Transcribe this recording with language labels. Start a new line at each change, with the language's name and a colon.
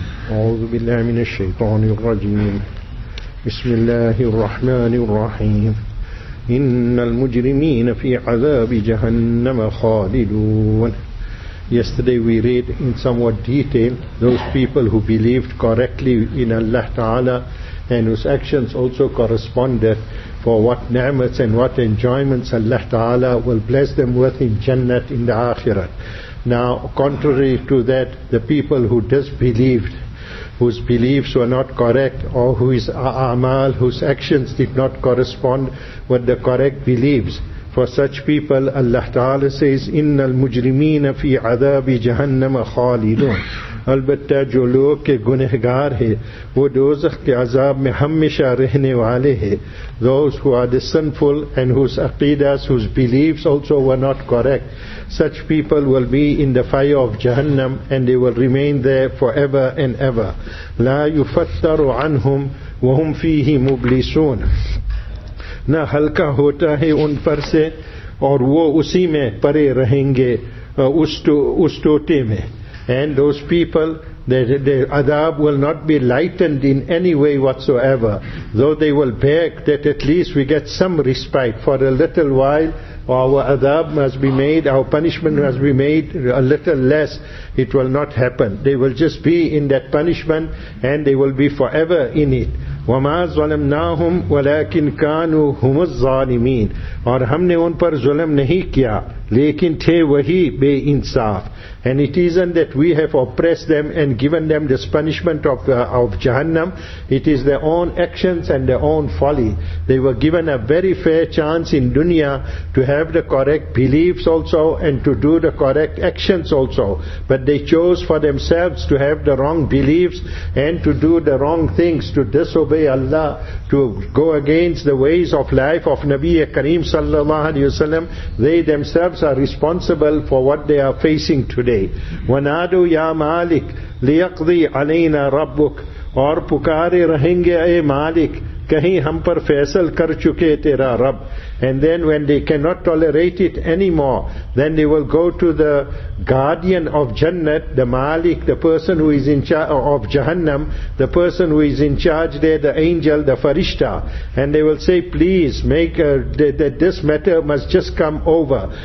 Arabic: أعوذ بالله من الشيطان الرجيم. بسم الله الرحمن الرحيم. إن المجرمين في عذاب جهنم خالدون.
English: Yesterday we read in somewhat detail those people who believed correctly in Allah Ta'ala and whose actions also corresponded for what ni'mats and what enjoyments Allah Ta'ala will bless them with in Jannat in the Akhirat. Now, contrary to that, the people who disbelieved, whose beliefs were not correct, or whose a'mal, whose actions did not correspond with the correct beliefs, for such people, Allah Ta'ala says,
Arabic: إِنَّ الْمُجْرِمِينَ فِي عَذَابِ جَهَنَّمَ خَالِدُونَ
Urdu: البتہ جو لوگ کے گنہگار ہیں وہ دوزخ کے عذاب میں ہمیشہ رہنے والے ہیں.
English: Those who are the sinful and whose aqidas, whose beliefs also were not correct, such people will be in the fire of Jahannam and they will remain there forever and ever.
Arabic: لَا يُفَتَّرُ عَنْهُمْ وَهُمْ فِيهِ مُبْلِسُونَ.
Urdu: نہ ہلکا ہوتا ہے ان پر سے اور وہ اسی میں پرے رہیں گے اس ٹوٹے میں.
English: And those people, their adab will not be lightened in any way whatsoever, though they will beg that at least we get some respite for a little while. Our adab must be made, our punishment must be made a little less. It will not happen. They will just be in that punishment and they will be forever in it.
Arabic: وَمَا ظَلَمْنَاهُمْ وَلَكِنْ كَانُوا هُمُ الظَّالِمِينَ.
Urdu: اور ہم نے ان پر ظلم نہیں کیا لیکن تھے وہی بے انصاف.
English: And it isn't that we have oppressed them and given them this punishment of Jahannam. It is their own actions and their own folly. They were given a very fair chance in dunya to have the correct beliefs also and to do the correct actions also. But they chose for themselves to have the wrong beliefs and to do the wrong things, to disobey Allah, to go against the ways of life of Nabi Kareem sallallahu alayhi wasallam. They themselves are responsible for what they are facing today.
Arabic: وَنَادُوا يَا مَالِكْ لِيَقْضِي عَلَيْنَا رَبُّكْ.
Urdu: اور پکارے رہیں گے اے مالک کہیں ہم پر فیصل کر چکے تیرا رب.
English: And then when they cannot tolerate it anymore, then they will go to the guardian of Jannat, the Malik, the person who is in charge of Jahannam, the person who is in charge there, the angel, the Farishta, and they will say, please make that this matter must just come over.